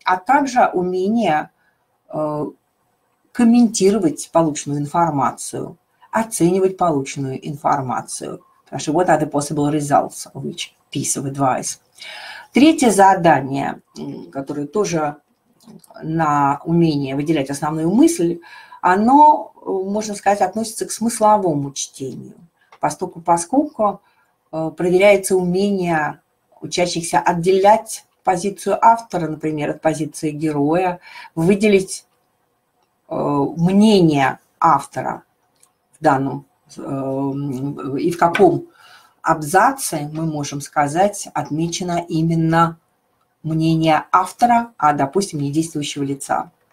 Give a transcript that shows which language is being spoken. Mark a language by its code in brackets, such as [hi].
[ru] А также умение комментировать полученную информацию, оценивать полученную информацию. Потому что [en] what are the possible results of each piece of advice? [ru] Третье задание, которое тоже на умение выделять основную мысль, оно, можно сказать, относится к смысловому чтению, поскольку проверяется умение учащихся отделять позицию автора, например, от позиции героя, выделить мнение автора в данном и в каком абзаце, мы можем сказать, отмечено именно мнение автора, а, допустим, не действующего лица.